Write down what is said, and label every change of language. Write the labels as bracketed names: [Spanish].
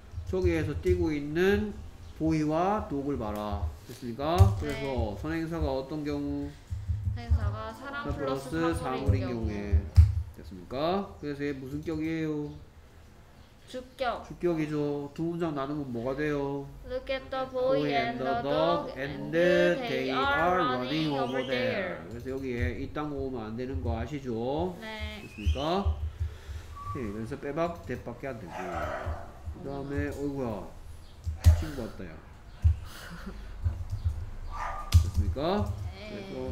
[Korean] 저기에서 뛰고 있는 보이와 독을 봐라. 됐습니까? 그래서 네. 선행사가 어떤 경우? 선행사가 사람 플러스 사물인 경우에 됐습니까? 그래서 얘 무슨 격이에요? 주격. 주격이죠. 두 문장 나누면 뭐가 돼요? [English] Look at the boy and the dog and they are running over there. [Korean] 그래서 여기에 이딴 거 오면 안 되는 거 아시죠? 네. 됐습니까? 네, 그래서 빼박 대박밖에 안 되죠. 그 다음에 어이구야 친구 왔다 야. 됐습니까? 네.